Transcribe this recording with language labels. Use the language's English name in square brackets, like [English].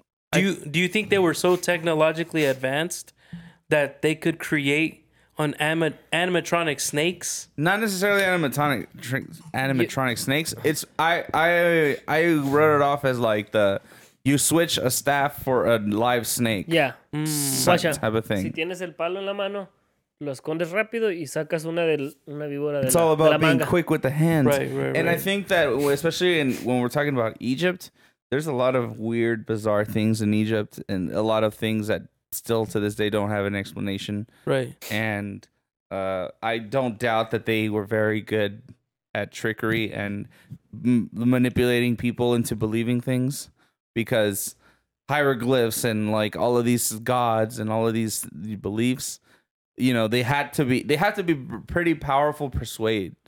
[English] Do you think they were so technologically advanced that they could create on animatronic snakes? Not necessarily animatronic snakes. It's I wrote it off as like the you switch a staff for a live snake. Yeah. Such type of thing. [Spanish] Si tienes el palo en la mano, lo escondes rápido y sacas una víbora de la manga. [English] It's all about being [Spanish] manga. [English] Quick with the hands. Right. And I think that especially when we're talking about Egypt, there's a lot of weird, bizarre things in Egypt and a lot of things that still to this day don't have an explanation. Right. And I don't doubt that they were very good at trickery and manipulating people into believing things, because hieroglyphs and like all of these gods and all of these beliefs, you know, they had to be pretty powerful persuade.